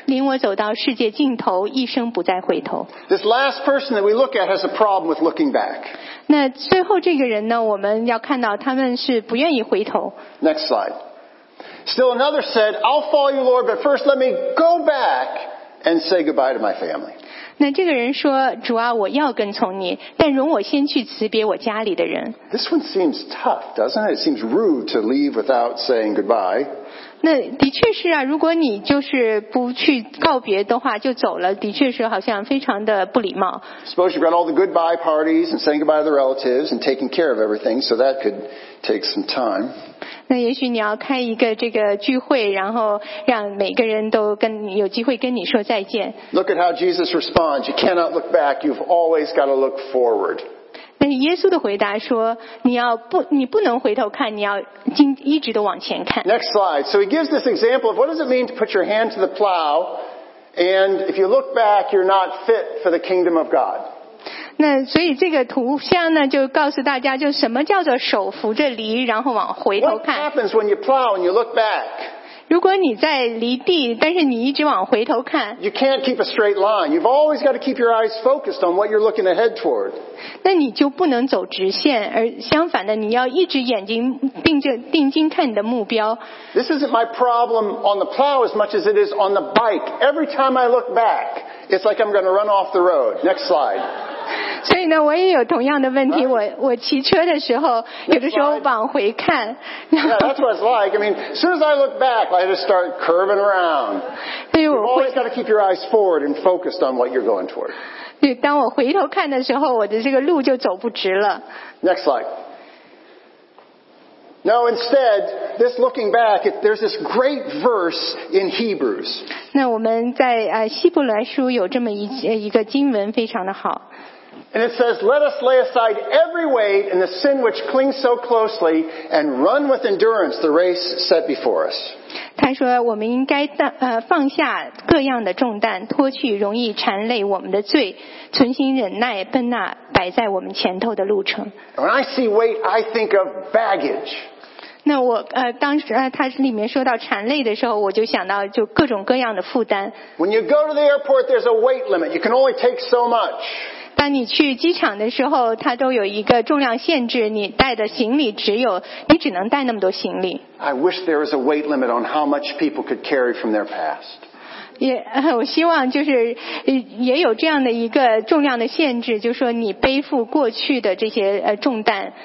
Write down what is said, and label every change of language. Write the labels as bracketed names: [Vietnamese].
[Chinese] 领我走到世界尽头，一生不再回头。 [English] This last person that we look at has a problem with looking back. [Chinese] 那最后这个人呢，我们要看到他们是不愿意回头。 [English] Next slide. Still another said, I'll follow you, Lord, but first let me go back and say goodbye to my family. [Chinese] 那这个人说，主啊，我要跟从你，但容我先去辞别我家里的人。 [English] This one seems tough, doesn't it? It seems rude to leave without saying goodbye. [Chinese] 那的确是啊，如果你就是不去告别的话就走了，的确是好像非常的不礼貌。 [English] Suppose you've got all the goodbye parties and saying goodbye to the relatives and taking care of everything, so that could take some time. [Chinese] 那也许你要开一个这个聚会，然后让每个人都跟有机会跟你说再见。 [English] Look at how Jesus responds. You cannot look back. You've always got to look forward. [Chinese] 但是耶稣的回答说，你不能回头看，你要一直都往前看。 [English] Next slide. So he gives this example of what does it mean to put your hand to the plow, and if you look back, you're not fit for the kingdom of God. [Chinese] 那所以这个图像呢，就告诉大家，就什么叫做手扶着犁，然后往回头看。 [English] What happens when you plow and you look back? [Chinese] 如果你在犁地，但是你一直往回头看。 [English] You can't keep a straight line. You've always got to keep your eyes focused on what you're looking ahead toward. [Chinese] 那你就不能走直线，而相反的，你要一直眼睛定睛看你的目标。 [English] This isn't my problem on the plow as much as it is on the bike. Every time I look back, it's like I'm going to run off the road. Next slide. [Chinese] 所以呢，我也有同样的问题。我骑车的时候，有的时候往回看。 [English] Yeah, that's what it's like. I mean, as soon as I look back, I just start curving around. You've always got to keep your eyes forward and focused on what you're going toward. [Chinese] 对，当我回头看的时候，我的这个路就走不直了。 [English] Next slide. No, instead, this looking back, there's this great verse in Hebrews. [Chinese] 那我们在希伯来书有这么一个经文，非常的好。 [English] And it says, let us lay aside every weight and the sin which clings so closely and run with endurance the race set before us. [Chinese] 他说我们应该放下各样的重担，脱去容易缠累我们的罪，存心忍耐奔那摆在我们前头的路程。 [English] When I see weight, I think of baggage. [Chinese] 那我当时他里面说到缠累的时候，我就想到就各种各样的负担。 [English] When you go to the airport, there's a weight limit. You can only take so much. [Chinese] 当你去机场的时候，它都有一个重量限制，你带的行李只有，你只能带那么多行李。 [English] I wish there was a weight limit on how much people could carry from their past. [Chinese] 我希望就是也有这样的一个重量的限制，就是说你背负过去的这些重担。